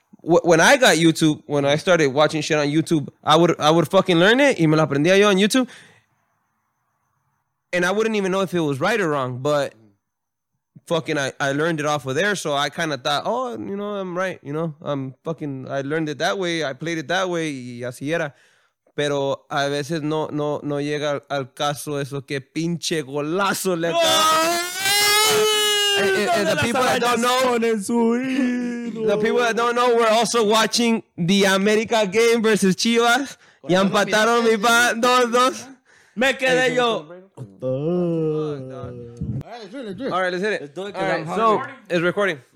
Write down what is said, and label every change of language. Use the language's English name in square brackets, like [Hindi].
[English] When I got YouTube, when I started watching shit on YouTube, I would fucking learn it, [Spanish] y me lo aprendía yo [English] on YouTube. And I wouldn't even know if it was right or wrong, but fucking I learned it off of there, so I kind of thought, oh, you know, I'm right, you know? I learned it that way, I played it that way, [Spanish] y así era. Pero a veces no llega al caso eso que pinche golazo le da. [English] The people that don't know, we're also watching the America game versus Chivas. [Spanish] Y empataron mi pa 2-2. Me quedé yo. [English] All right, let's hit it. All right, so it's recording.